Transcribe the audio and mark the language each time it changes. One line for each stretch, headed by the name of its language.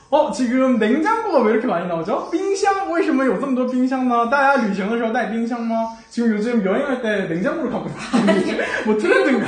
Korean: 지금 냉장고가 왜 이렇게 많이 나오죠?
Chinese: 冰箱为什么有这么多冰箱呢?大家旅行的时候带冰箱吗?
Korean: 지금 요즘 여행할 때 냉장고를 갖고 다니는데 뭐 트렌드인가?